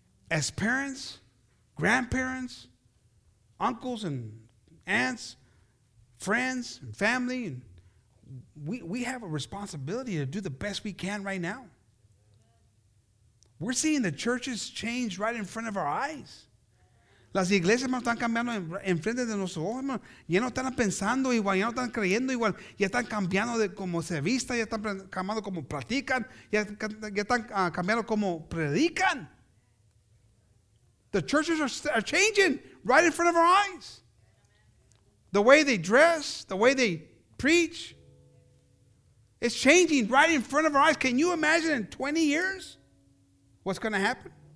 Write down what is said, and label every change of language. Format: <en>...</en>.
<en>As parents, grandparents, uncles and aunts, friends and family, and we have a responsibility to do the best we can right now. We're seeing the churches change right in front of our eyes.</en> <es>Las iglesias están cambiando en frente de nuestros ojos, hermano. Ya no están pensando igual, ya no están creyendo igual. Ya están cambiando de cómo se vista, ya están cambiando cómo platican, ya están cambiando cómo predican.</es> <en>The churches are changing right in front of our eyes. The way they dress, the way they preach, it's changing right in front of our eyes. Can you imagine in 20 years what's going to happen?</en>